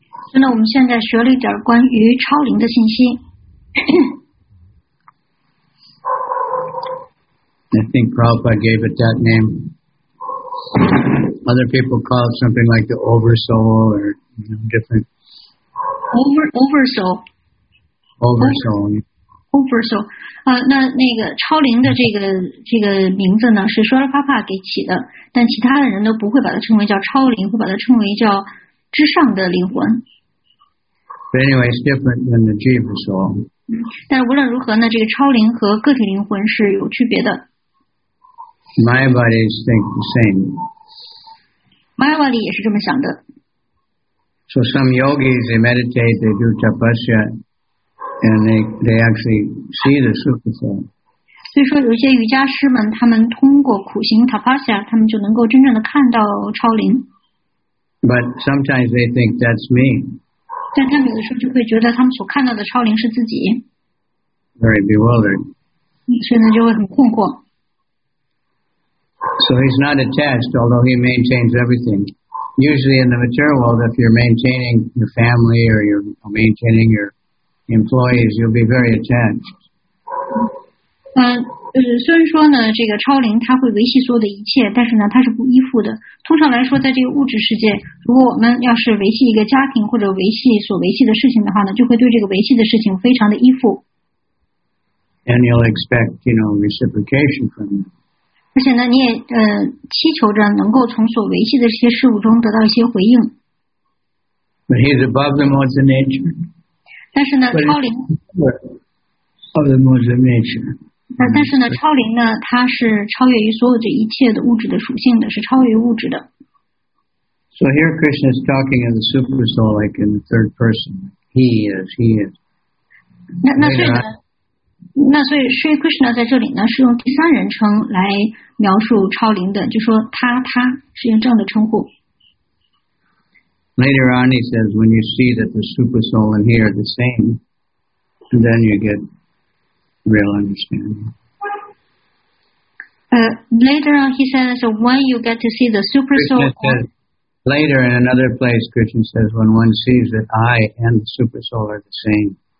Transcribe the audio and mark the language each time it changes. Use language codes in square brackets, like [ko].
[en] So now we learn a little bit about the Super Soul. I think Prabhupada gave it that name. Other people call it something like the oversoul or different. Oversoul. Oversoul. Oversoul. [zh] 那个超灵的这个名字呢，是舒拉帕帕给起的，但其他的人都不会把它称为叫超灵，会把它称为叫之上的灵魂。 [en] But anyway, it's different than the jiva soul. [zh] 但无论如何呢，这个超灵和个体灵魂是有区别的。 [en] Mayavadis think the same. [zh] Mayavadi 也是这么想的。 [en] So some yogis, they meditate, they do tapasya, and they actually see the super soul. [zh] 所以说有些瑜伽师们，他们通过苦行 tapasya, 他们就能够真正的看到超灵。 [en] But sometimes they think that's me. [zh] 但他们有的时候就会觉得他们所看到的超灵是自己。 [en] Very bewildered. [zh] 所以呢就会很困惑。 [en] So he's not attached, although he maintains everything. Usually in the material world, if you're maintaining your family or you're maintaining your employees, you'll be very attached. [zh] 虽然说呢，这个超灵它会维系所有的一切，但是呢，它是不依附的。通常来说，在这个物质世界，如果我们要是维系一个家庭或者维系所维系的事情的话呢，就会对这个维系的事情非常的依附。 [en] And you'll expect, you know, reciprocation from them. [zh] 而且呢，你也祈求着能够从所维系的这些事物中得到一些回应。 [en] But he's above the modes of nature. [zh] 但是呢，超灵。 [en] Of the modes of nature. [zh] 但是呢，超灵呢，它是超越于所有这一切的物质的属性的，是超越物质的。 [en] So here Krishna is talking of the super soul like in the third person. He is. [zh] 那所以 Krishna 在这里呢是用第三人称来描述超灵的，就说他是用这样的称呼。 [en] Later on he says when you see that the super soul and he are the same, then you get real understanding. Later on he says when you get to see the super soul Later in another place, Krishna says, when one sees that I and the super soul are the same.